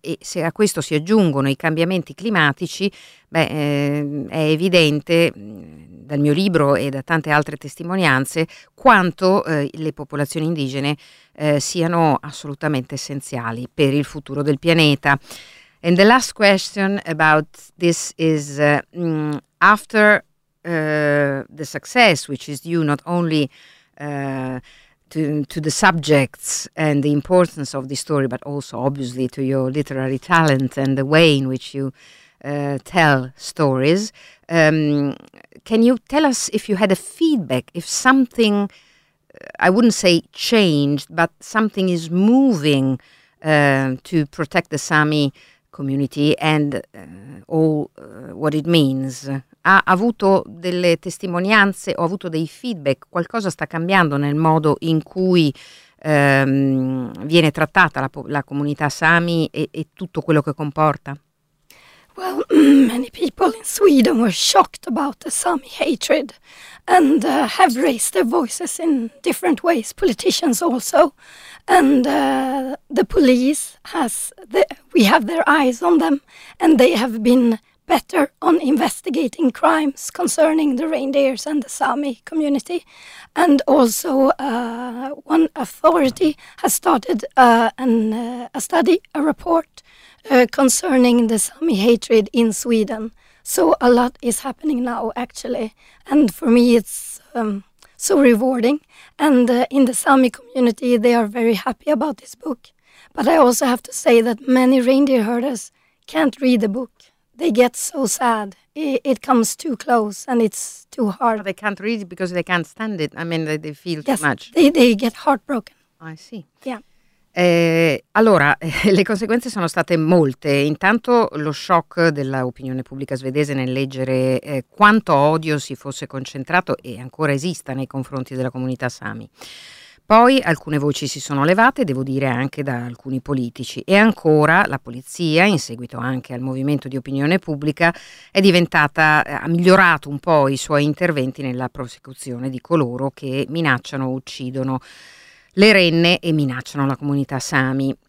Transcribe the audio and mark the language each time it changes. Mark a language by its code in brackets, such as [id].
[it] E se a questo si aggiungono i cambiamenti climatici, è evidente dal mio libro e da tante altre testimonianze quanto le popolazioni indigene siano assolutamente essenziali per il futuro del pianeta. [en] And the last question about this is after the success, which is due not only to the subjects and the importance of the story, but also obviously to your literary talent and the way in which you tell stories. Can you tell us if you had a feedback, if something, I wouldn't say changed, but something is moving to protect the Sami community and all what it means? [it] Ha avuto delle testimonianze o ha avuto dei feedback? Qualcosa sta cambiando nel modo in cui viene trattata la comunità Sami e tutto quello che comporta? [en] Well, many people in Sweden were shocked about the Sami hatred and have raised their voices in different ways, politicians also. And the police has, we have their eyes on them, and they have been better on investigating crimes concerning the reindeers and the Sami community. And also one authority has started a report concerning the Sami hatred in Sweden. So a lot is happening now, actually. And for me, it's so rewarding. And in the Sami community, they are very happy about this book. But I also have to say that many reindeer herders can't read the book. They get so sad. It comes too close and it's too hard. They can't read it because they can't stand it. I mean, they feel yes, too much. They get heartbroken. I see. Yeah. [it] Allora, le conseguenze sono state molte. Intanto lo shock dell'opinione pubblica svedese nel leggere quanto odio si fosse concentrato e ancora esista nei confronti della comunità Sami. Poi alcune voci si sono levate, devo dire anche da alcuni politici, e ancora la polizia, in seguito anche al movimento di opinione pubblica, ha migliorato un po' i suoi interventi nella prosecuzione di coloro che minacciano o uccidono le renne e minacciano la comunità Sami.